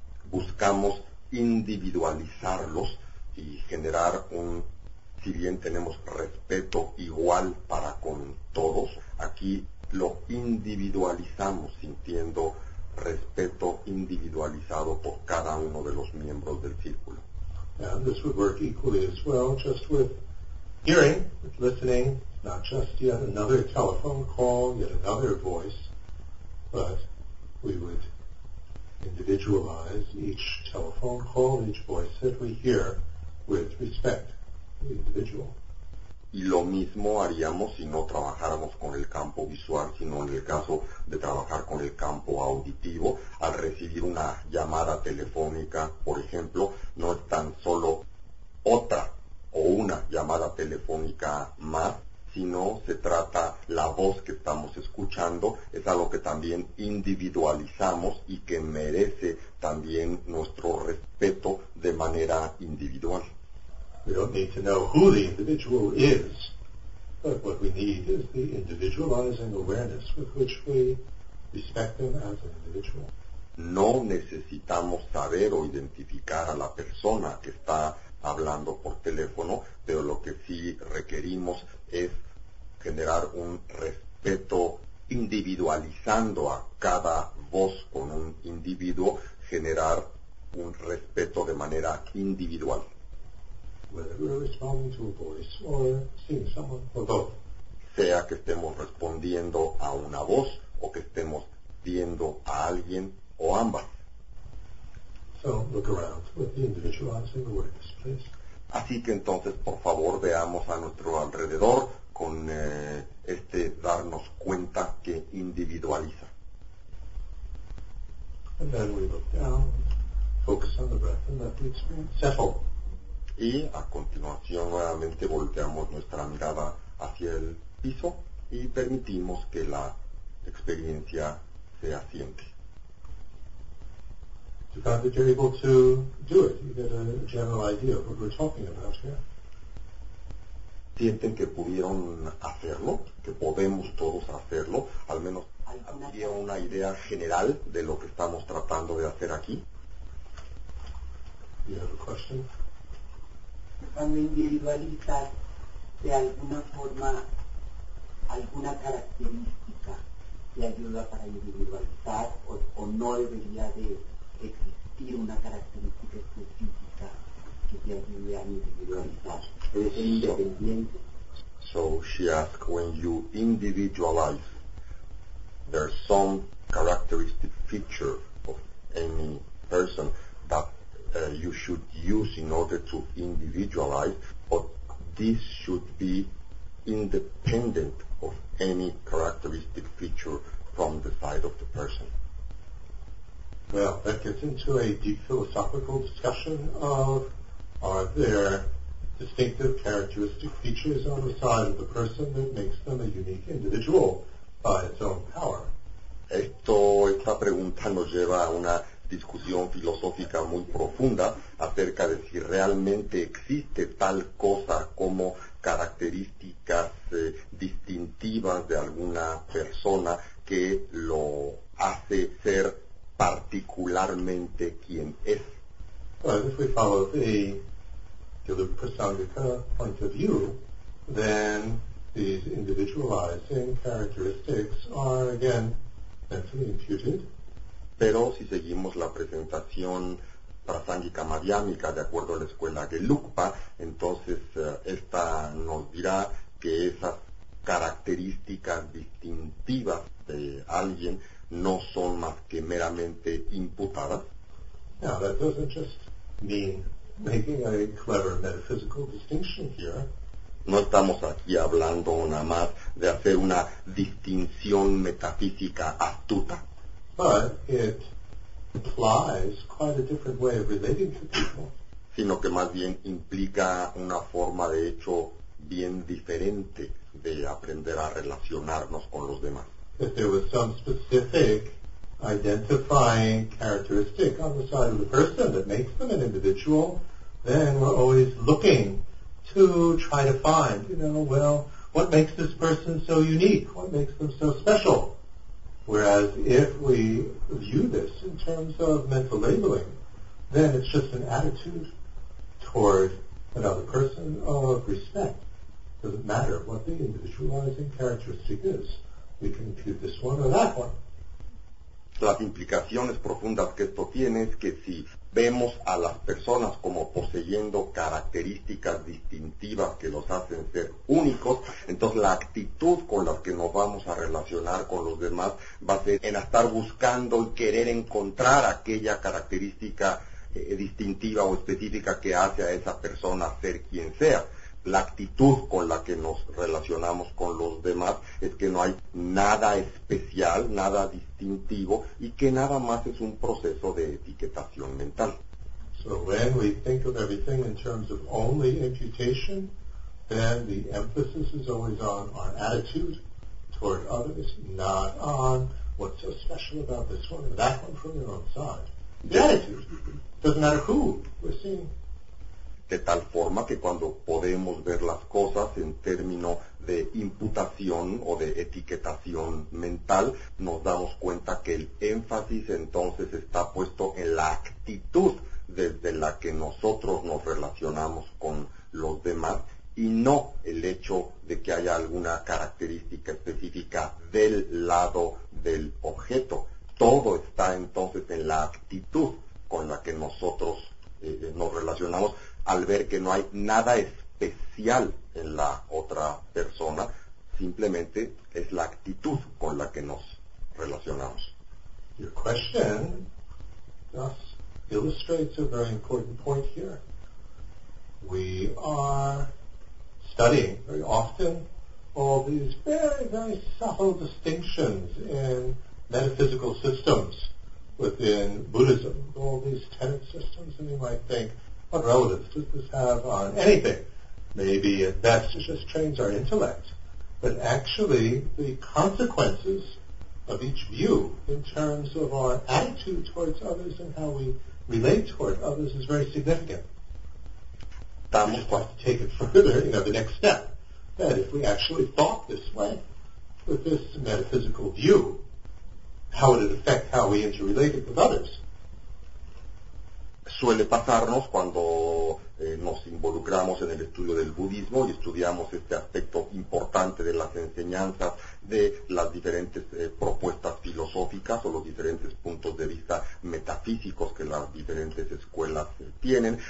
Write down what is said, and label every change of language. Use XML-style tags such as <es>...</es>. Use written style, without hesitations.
<es>buscamos individualizarlos y generar un, si bien tenemos respeto igual para con todos, aquí lo individualizamos sintiendo respeto individualizado por cada uno de los miembros del círculo.</es> <en>And this would work equally as well just with hearing, with listening, not just yet another telephone call, yet another voice, but we would individualize each telephone call, each voice that we hear with respect to the individual.</en> <es>Y lo mismo haríamos si no trabajáramos con el campo visual, sino en el caso de trabajar con el campo auditivo, al recibir una llamada telefónica, por ejemplo, no es tan solo otra o una llamada telefónica más, sino se trata la voz que estamos escuchando, es algo que también individualizamos y que merece también nuestro respeto de manera individual.</es> <en>We don't need to know who the individual is, but what we need is the individualizing awareness with which we respect them as an individual.</en> <es>No necesitamos saber o identificar a la persona que está hablando por teléfono, pero lo que sí requerimos es generar un respeto individualizando a cada voz con un individuo, generar un respeto de manera individual.</es> <en>Whether we're responding to a voice or seeing someone or both.</en> <es>Sea que estemos respondiendo a una voz o que estemos viendo a alguien o ambas.</es> <en>So look around with the individualizing awareness, please.</en> <es>Así que entonces, por favor, veamos a nuestro alrededor con este darnos cuenta que individualiza.</es> <en>And then we look down, focus on the breath, and let the experience settle.</en> <es>Y a continuación nuevamente volteamos nuestra mirada hacia el piso y permitimos que la experiencia se asiente.</es> <en>You found that you're able to do it. You get a general idea of what we're talking about here.</en> <es>¿Sienten que pudieron hacerlo? ¿Que podemos todos hacerlo? Al menos había una idea general de lo que estamos tratando de hacer aquí.</es> <en>You have a question?</en> <es>Cuando individualizas de alguna forma alguna característica te ayuda para individualizar o no debería de existir una característica específica que te ayude a individualizar, eres independiente.</es> <en>So she asked, when you individualize, there's some characteristic feature of any person that you should use in order to individualize, but this should be independent of any characteristic feature from the side of the person. Well, that gets into a deep philosophical discussion of, are there distinctive characteristic features on the side of the person that makes them a unique individual by its own power?</en> <es>Esta pregunta nos lleva a una discusión filosófica muy profunda acerca de si realmente existe tal cosa como características distintivas de alguna persona que lo hace ser particularmente quien es.</es> <en>Well, if we follow the Prasangika point of view, then these individualizing characteristics are again mentally imputed.</en> <es>Pero si seguimos la presentación prasángica madhyámica de acuerdo a la escuela Gelugpa, entonces esta nos dirá que esas características distintivas de alguien no son más que meramente imputadas.</es> <en>Now, that doesn't just mean making a clever metaphysical distinction here.</en> <es>No estamos aquí hablando nada más de hacer una distinción metafísica astuta.</es> <en>but it implies quite a different way of relating to people.</en> <es>Sino que más bien implica una forma de hecho bien diferente de aprender a relacionarnos con los demás.</es> <en>If there was some specific identifying characteristic on the side of the person that makes them an individual, then we're always looking to try to find, what makes this person so unique? What makes them so special? Whereas if we view this in terms of mental labeling, then it's just an attitude toward another person of respect. It doesn't matter what the individualizing characteristic is. We can impute this one or that one.</en> <es>Las implicaciones profundas que esto tiene es que si vemos a las personas como poseyendo características distintivas que los hacen ser únicos, entonces la actitud con la que nos vamos a relacionar con los demás va a ser en estar buscando y querer encontrar aquella característica distintiva o específica que hace a esa persona ser quien sea. La actitud con la que nos relacionamos con los demás es que no hay nada especial, nada distintivo, y que nada más es un proceso de etiquetación mental.</es> <en>So when we think of everything in terms of only imputation, then the emphasis is always on our attitude toward others, not on what's so special about this one or that one from your own side. The attitude. Doesn't matter who we're seeing.</en> <es>De tal forma que cuando podemos ver las cosas en términos de imputación o de etiquetación mental, nos damos cuenta que el énfasis entonces está puesto en la actitud desde la que nosotros nos relacionamos con los demás y no el hecho de que haya alguna característica específica del lado del objeto. Todo está entonces en la actitud con la que nosotros nos relacionamos al ver que no hay nada especial en la otra persona, simplemente es la actitud con la que nos relacionamos.</es> <en>Your question thus illustrates a very important point here. We are studying very often all these very, very subtle distinctions in metaphysical systems within Buddhism, all these tenet systems, and you might think, what relevance does this have on anything? Maybe at best it just trains our intellect. But actually, the consequences of each view in terms of our attitude towards others and how we relate toward others is very significant. We just have to take it further, the next step. That if we actually thought this way, with this metaphysical view, how would it affect how we interrelate it with others?</en> <es>Suele pasarnos cuando nos involucramos en el estudio del budismo y estudiamos este aspecto importante de las enseñanzas de las diferentes propuestas filosóficas o los diferentes puntos de vista metafísicos que las diferentes escuelas tienen.</es>